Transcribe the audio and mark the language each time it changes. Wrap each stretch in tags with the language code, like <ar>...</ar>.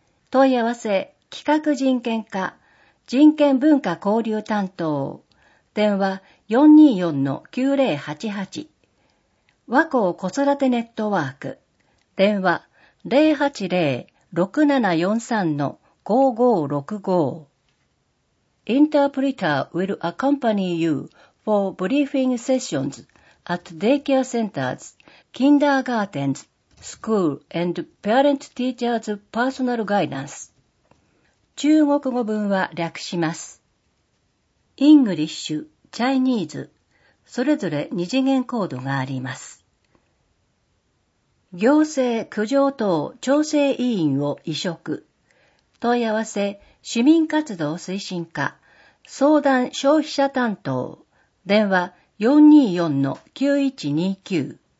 <ja>問い合わせ、企画人権課、人権文化交流担当、電話 424-9088、和光子育てネットワーク、電話 080-6743-5565。</ja> <en>Interpreter will accompany you for briefing sessions at daycare centers, kindergartens, school and parent teachers personal guidance.</en> <ja>中国語文は略します。</ja> <en>English, Chinese,</en> <ja>それぞれ二次元コードがあります。行政苦情等調整委員を委嘱。問い合わせ、市民活動推進課。相談消費者担当、電話 424-9129。</ja>